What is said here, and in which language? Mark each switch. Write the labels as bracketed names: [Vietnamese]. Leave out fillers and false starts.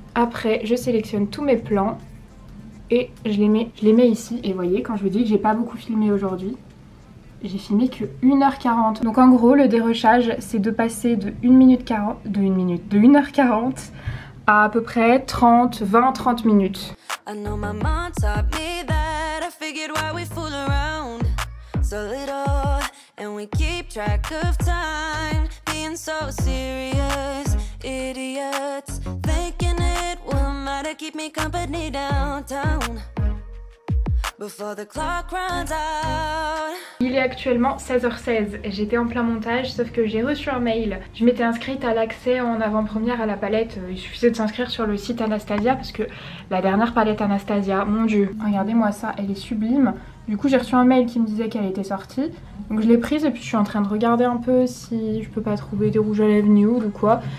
[French] Après, je sélectionne tous mes plans et je les mets ici. Et vous voyez, quand je vous dis que j'ai pas beaucoup filmé aujourd'hui, j'ai filmé que 1h40. Donc en gros, le dérochage, c'est de passer de 1h40 à peu près 20-30 minutes. [English] I know my mom taught me that. I figured why we fool around so little and we keep track of time, being so serious idiots, thinking it will matter, keep me company downtown before the clock runs out. [French] Il est actuellement 16h16. J'étais en plein montage, sauf que j'ai reçu un mail. Je m'étais inscrite à l'accès en avant-première à la palette. Il suffisait de s'inscrire sur le site Anastasia parce que la dernière palette Anastasia, mon dieu. Regardez-moi ça, elle est sublime. Du coup, j'ai reçu un mail qui me disait qu'elle était sortie. Donc je l'ai prise et puis je suis en train de regarder un peu si je peux pas trouver des rouges à lèvres nude ou quoi.